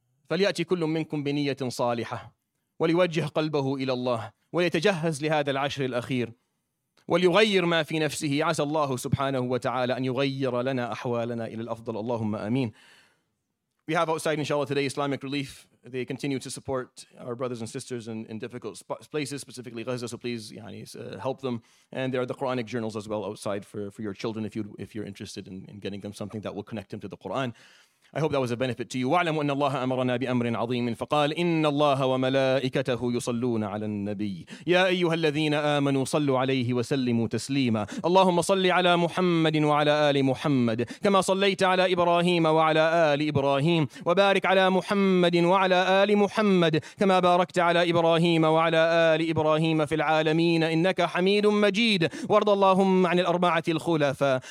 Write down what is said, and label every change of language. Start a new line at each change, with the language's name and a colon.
Arabic: فليأتي كل منكم بنية صالحة وليوجه قلبه إلى الله وليتجهز لهذا العشر الأخير وليغير ما في نفسه، عسى الله سبحانه وتعالى أن يغير لنا أحوالنا إلى الأفضل، اللهم آمين.
English: We have outside, inshallah, today Islamic Relief. They continue to support our brothers and sisters in difficult places, specifically Gaza. So please, help them. And there are the Quranic journals as well outside for your children if you're interested in getting them something that will connect them to the Quran. I hope that was a benefit to you.
Arabic: وَاعْلَمُوا أَنَّ اللَّهَ أَمَرَنَا بِأَمْرٍ عَظِيمٍ فَقَالَ إِنَّ اللَّهَ وَمَلَائِكَتَهُ يُصَلُّونَ عَلَى النَّبِيِّ يَا أَيُّهَا الَّذِينَ آمَنُوا صَلُّوا عَلَيْهِ وَسَلِّمُوا تَسْلِيمًا اللهم صل على محمد وعلى آل محمد كما صليت على إبراهيم وعلى آل إبراهيم وبارك على محمد وعلى آل محمد كما باركت على إبراهيم وعلى آل إبراهيم في العالمين إنك حميد مجيد وارض اللهم عن الأربعة الخلفاء